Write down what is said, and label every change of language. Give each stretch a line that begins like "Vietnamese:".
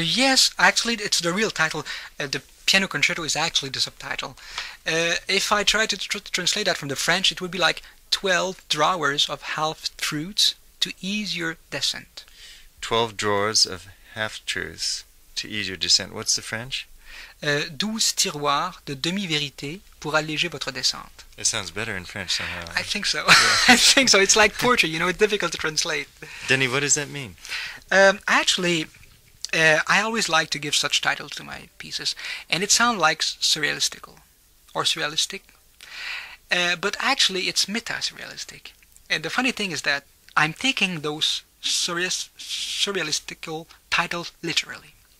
English: Yes, actually, it's the real title. The piano concerto is actually the subtitle. If I try to translate that from the French, it would be like 12 drawers of half-truths to ease your descent. 12 drawers of half-truths to ease your descent. What's the French?
French: 12 tiroirs de demi-vérité pour alléger votre descente.
English: It sounds better in French somehow. I think so. Yeah. I think so. It's like poetry, you know, it's difficult to translate. Denis, what does that mean? I always like to give such titles to my pieces, and it sounds like surrealistical or surrealistic. But actually, it's meta-surrealistic. And the funny thing is that I'm taking those surrealistical titles literally.